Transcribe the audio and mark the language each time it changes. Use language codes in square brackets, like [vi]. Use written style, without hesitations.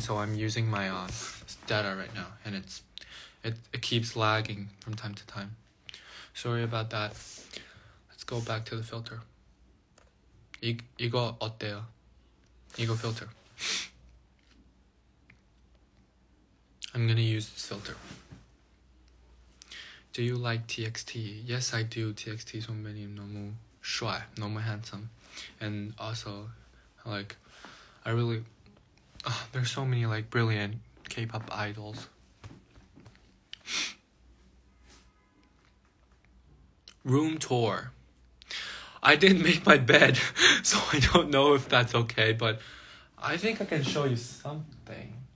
[en] So I'm using my data right now, and it keeps lagging from time to time. Sorry about that. Let's go back to the filter. [ko] 이거 어때요? 이거 filter. [en] I'm gonna use this filter. Do you like TXT? Yes, I do. [ko] TXT 선배님 너무 [zh] 帅 [ko] 너무 [en] handsome. And also, like, I really... there's so many, like, brilliant K-pop idols. Room tour. I didn't make my bed, so I don't know if that's okay, but I think I can show you something.